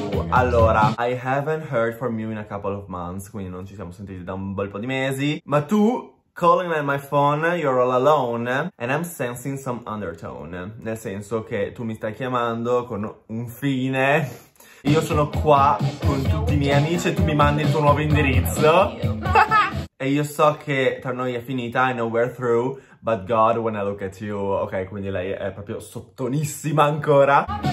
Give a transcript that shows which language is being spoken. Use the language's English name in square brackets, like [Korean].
[Italian] Allora, [English] I haven't heard from you in a couple of months, [Italian] quindi non ci siamo sentiti da un bel po' di mesi. Ma tu, [English] calling on my phone, you're all alone, and I'm sensing some undertone. [Italian] Nel senso che tu mi stai chiamando con un fine. Io sono qua con tutti i miei amici e tu mi mandi il tuo nuovo indirizzo. E io so che tra noi è finita, [English] I know we're through, but God, when I look at you. [Italian] Ok, quindi lei è proprio sottonissima ancora.